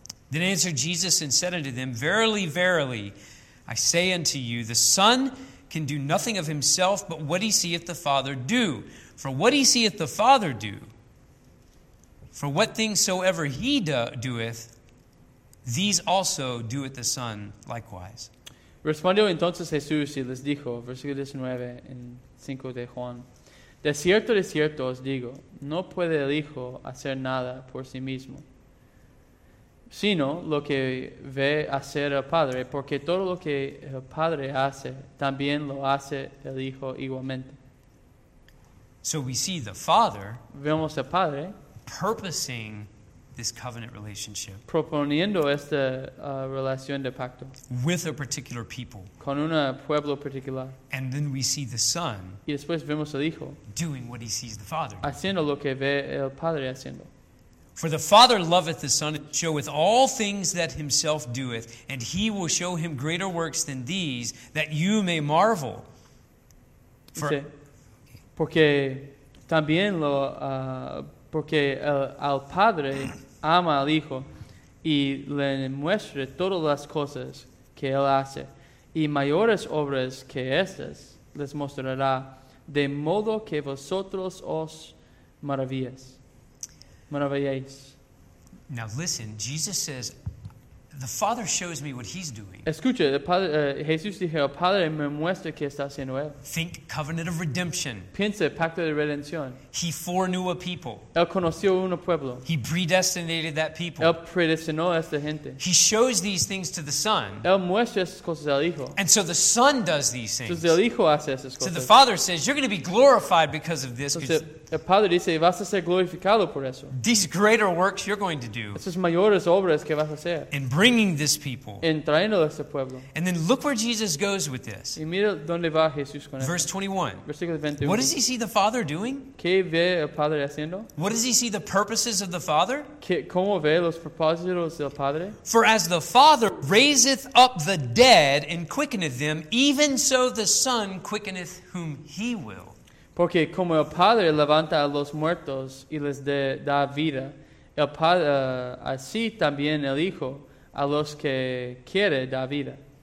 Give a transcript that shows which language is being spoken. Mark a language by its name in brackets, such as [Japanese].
[English] Then answered Jesus and said unto them, verily, verily, I say unto you, the Son can do nothing of himself but what he seeth the Father do. For what he seeth the Father do, for what things soever he doeth, these also doeth the Son likewise. [Spanish] Respondió entonces Jesús y les dijo, versículo 19, en 5 de Juan. De cierto os digo, no puede el Hijo hacer nada por sí mismo, sino lo que ve hacer el Padre, porque todo lo que el Padre hace, también lo hace el Hijo igualmente. [English] So we see the Father, [Spanish] vemos al Padre, [English] purposing this covenant relationship, [Spanish] proponiendo esta relación de pacto, [English] with a particular people, [Spanish] con un pueblo particular, [English] and then we see the Son, [Spanish] y después vemos al Hijo, [English] doing what he sees the Father, [Spanish] haciendo lo que ve el Padre haciendo. [English] For the Father loveth the Son, and showeth all things that himself doeth, and he will show him greater works than these, that you may marvel. For, sí. Okay, [Spanish] Porque también lo porque el al padre ama al hijo y le muestra todas las cosas que él hace, y mayores obras que estas les mostrará, de modo que vosotros os maravilléis. [English] Now listen, Jesus says, the Father shows me what he's doing. [Spanish] Escucha, el padre, Jesús dijo, el Padre me muestra qué está haciendo él. [English] Think covenant of redemption. [Spanish] Piensa, pacto de redención. [English] He foreknew a people. [Spanish] Él conoció un pueblo. [English] He predestinated that people. [Spanish] Él predestinó a esta gente. [English] He shows these things to the Son. [Spanish] Él muestra esas cosas al Hijo. [English] And so the Son does these things. [Spanish] Entonces el Hijo hace esas cosas. [English] So the Father says, you're going to be glorified because of this. [Spanish] Entonces, el Padre dice, vas a ser glorificado por eso. [English] These greater works you're going to do. [Spanish] Esas mayores obras que vas a hacer. [English] In bringing this people. [Spanish] En trayendo a este pueblo. [English] And then look where Jesus goes with this. [Spanish] Y mira dónde va Jesús con esto. [English] Verse 21. [Spanish] Versículo 21. [English] What does he see the Father doing? [Spanish] ¿Qué ve el Padre haciendo? [English] What does he see the purposes of the Father? [Spanish] ¿Cómo ve los propósitos del Padre? [English] For as the Father raiseth up the dead and quickeneth them, even so the Son quickeneth whom he will. [Spanish] Porque como el Padre levanta a los muertos y les da vida, el Padre, así también el Hijo a los que quiere da vida.